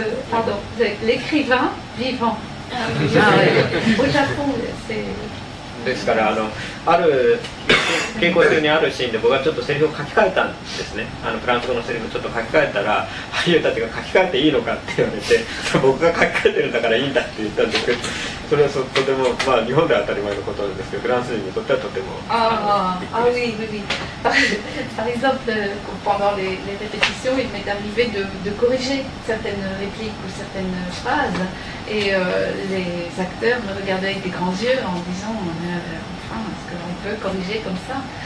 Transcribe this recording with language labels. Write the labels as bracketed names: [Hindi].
[French] Pardon, l'écrivain vivant. Au Japon, c'est. [Japanese] ですから ある稽古中にあるシーンで僕はちょっとセリフを書き換えたんですね。フランス語のセリフをちょっと書き換えたら、俳優たちが書き換えていいのかって言われて、僕が書き換えてるんだからいいんだって言ったんですけど、それはそとても、まあ、日本では当たり前のことですけど、フランス人にとってはとても。 [French] ああ、oui, oui. Par exemple, pendant les répétitions, il m'est arrivé de corriger certaines répliques ou certaines phrases. Et les acteurs me regardaient avec des grands yeux en disant enfin, est-ce qu'on peut corriger comme ça?